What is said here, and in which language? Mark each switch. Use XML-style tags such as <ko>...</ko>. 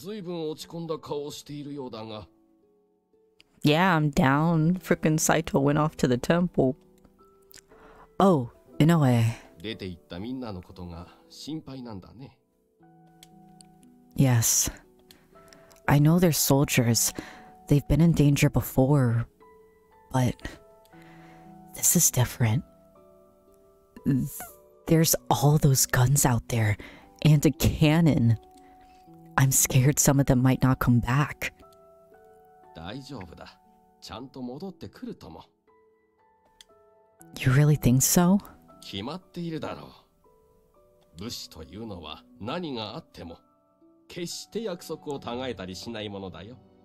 <ja>随分落ち込んだ顔をしているようだが...</ja> <en>Yeah, I'm down. Frickin' Saito went off to the temple. Oh, Inoue.</en> <ja>出て行ったみんなのことが心配なんだね。</ja> <en>Yes. I know they're soldiers. They've been in danger before, but this is different. There's all those guns out there, and a cannon. I'm scared some of them might not come back.</en> <ja>大丈夫だ。ちゃんと戻ってくるとも。</ja> <en>You really think so?</en> <ja>決まっているだろう。武士というのは何があっても決して約束を違えたりしないものだよ。</ja>